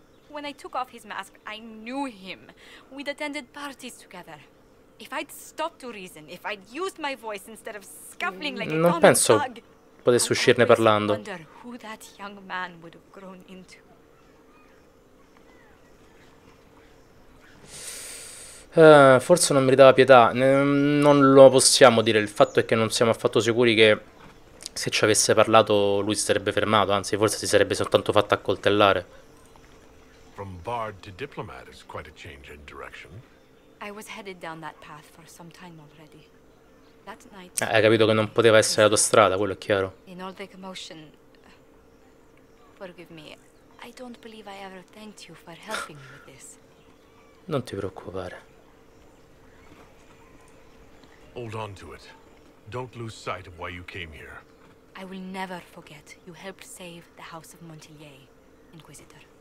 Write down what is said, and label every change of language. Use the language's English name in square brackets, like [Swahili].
[English] When I took off his mask, I knew him. We'd attended parties together. If I'd stopped to reason, if I'd used my voice instead of scuffling like a [Italian] non penso potesse uscirne parlando. [English] I wonder who that young man would have grown into. [Italian] Forse non meritava pietà. Non lo possiamo dire. Il fatto è che non siamo affatto sicuri che se ci avesse parlato lui si sarebbe fermato. Anzi, forse si sarebbe soltanto fatto accoltellare. [English] From bard to diplomat is quite a change in direction. I was headed down that path for some time already. That night. [Italian] Hai capito che non poteva essere la tua strada, quello è chiaro. [English] In all the commotion, forgive me. I don't believe I ever thanked you for helping me with this. [Italian] Non ti preoccupare. [English] Hold on to it. Don't lose sight of why you came here. I will never forget you helped save the House of Montelier, Inquisitor.